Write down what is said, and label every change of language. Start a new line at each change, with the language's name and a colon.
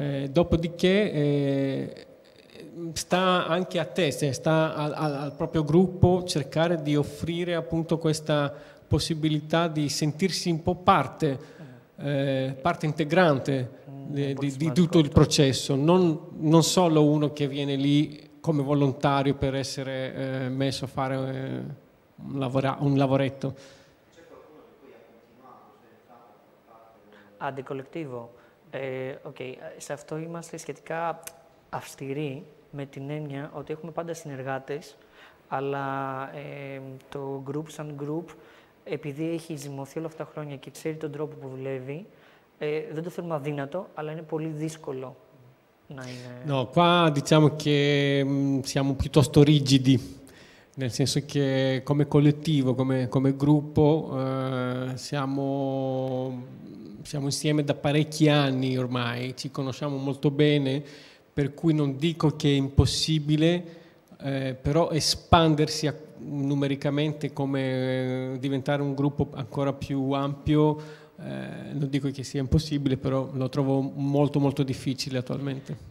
Italian: Dopodiché sta anche a te, sta al proprio gruppo cercare di offrire appunto questa possibilità di sentirsi un po' parte, parte integrante di tutto il processo, non solo uno che viene lì come volontario per essere messo a fare un lavoretto. C'è qualcuno di cui ha continuato? Ah, del collettivo?
Greek: Ok, se αυτό είμαστε σχετικά αυστηροί, με την έννοια ότι έχουμε πάντα συνεργάτες, αλλά το group σαν group, επειδή έχει ζυμωθεί όλα αυτά τα χρόνια και ξέρει τον τρόπο που δουλεύει, δεν το θεωρούμε αδύνατο, αλλά είναι πολύ δύσκολο να είναι.
Italian: No, qua diciamo che siamo piuttosto rigidi, nel senso che come collettivo, come gruppo, siamo insieme da parecchi anni ormai, ci conosciamo molto bene, per cui non dico che è impossibile, però espandersi numericamente, come diventare un gruppo ancora più ampio, non dico che sia impossibile, però lo trovo molto molto difficile attualmente.